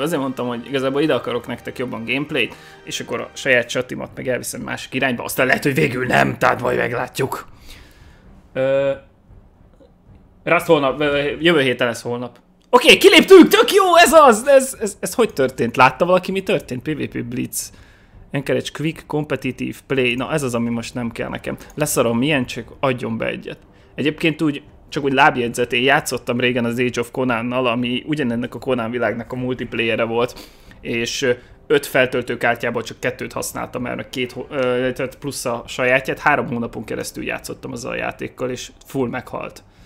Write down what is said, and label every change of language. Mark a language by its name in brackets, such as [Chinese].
[Hungarian] Azért mondtam, hogy igazából ide akarok nektek jobban gameplayt, és akkor a saját csatimat meg elviszem másik irányba, aztán lehet, hogy végül nem, tehát majd meglátjuk. Rast holnap, jövő héten lesz holnap. Oké, okay, kiléptünk, tök jó, ez az! Ez hogy történt? Látta valaki, mi történt? [English] PvP Blitz. Encourage quick competitive play. [Hungarian] Na, ez az, ami most nem kell nekem. Leszarom, milyen, csak adjon be egyet. Egyébként úgy... Csak úgy lábjegyzet, én játszottam régen az Age of Conan-nal, ami ugyanennek a Conan világnak a multiplayere volt, és 5 feltöltőkártyából csak 2-t használtam, mert tehát plusz a sajátját, 3 hónapon keresztül játszottam azzal a játékkal, és full meghalt.